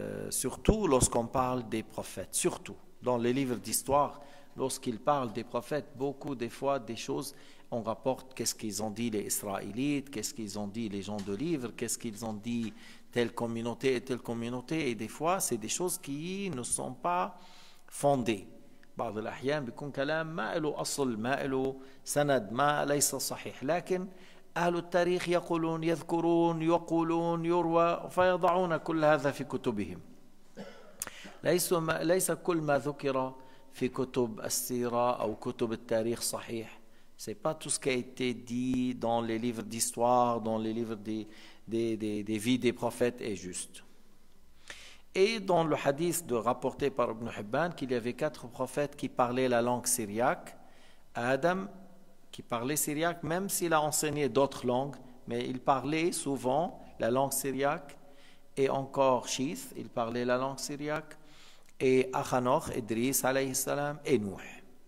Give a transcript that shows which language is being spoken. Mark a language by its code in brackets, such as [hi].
[fr] Surtout lorsqu'on parle des prophètes, surtout dans les livres d'histoire, lorsqu'ils parlent des prophètes, beaucoup des fois des choses... On rapporte qu'est-ce qu'ils ont dit les Israélites, qu'est-ce qu'ils ont dit les gens de livre, qu'est-ce qu'ils ont dit telle communauté, et des fois, c'est des choses qui ne sont pas fondées. [ar] بعض الأحيان بيكون كلام ما إله أصل، ما إله سند، ما ليس صحيح. لكن أهل التاريخ يقولون، يذكرون، يقولون، يروى، فيضعون كل هذا في كتبهم. ليس كل ما ذكر في كتب السيرة أو كتب التاريخ صحيح. [fr] Ce n'est pas tout ce qui a été dit dans les livres d'histoire, dans les livres des vies des prophètes est juste. Et dans le hadith de rapporté par Ibn Hibban, qu'il y avait quatre prophètes qui parlaient la langue syriaque, Adam qui parlait syriaque, même s'il a enseigné d'autres langues, mais il parlait souvent la langue syriaque, et encore Shith, il parlait la langue syriaque, et Achanoch, Idris, alayhi salam, et Nuh.